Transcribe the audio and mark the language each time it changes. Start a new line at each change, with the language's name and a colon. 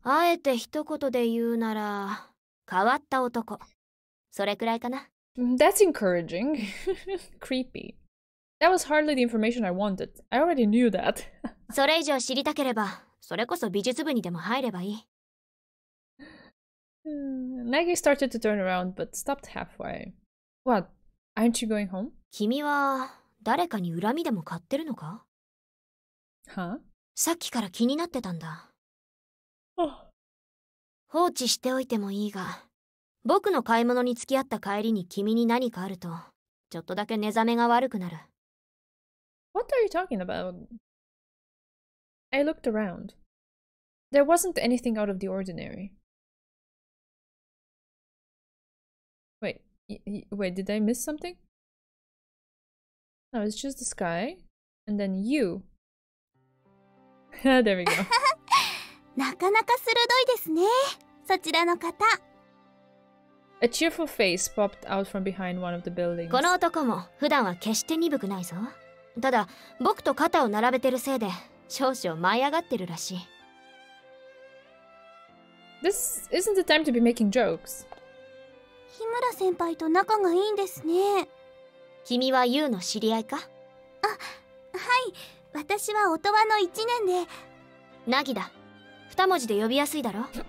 Japanese: あえて一言で言うなら、変わった男。それくらいかな。
English: That's encouraging. Creepy. That was hardly the information I wanted. I already knew that.
Japanese: それ以上知りたければ。それこそ美術部にでも入ればいい。
English: Nagi started to turn around, but stopped halfway. What? Aren't you going home?
Japanese: 君は誰かに恨みでも買ってるのか? Huh? さっきから気になってたんだ。 Oh. 放置しておいてもいいが、僕の買い物に付き合った帰りに君に何かあると、ちょっとだけ寝覚めが悪くなる。
English: What are you talking about? I looked around. There wasn't anything out of the ordinary. Wait, did I miss something? No, it's just the sky. And then you. There we go.
Japanese: なかなか鋭いですね、そちらの方。
English: A cheerful face popped out from behind one of the buildings.
Japanese: この男も普段は決して鈍くないぞ。ただ、僕と肩を並べてるせいで。少々舞い上がってるらしい。
English: This isn't the time to be making jokes.
Japanese: 日村先輩と仲がいいんですね。君はユウの知り合いか? あ、はい。私は音羽の一年で。ナギだ。二文字で呼びやすいだろ。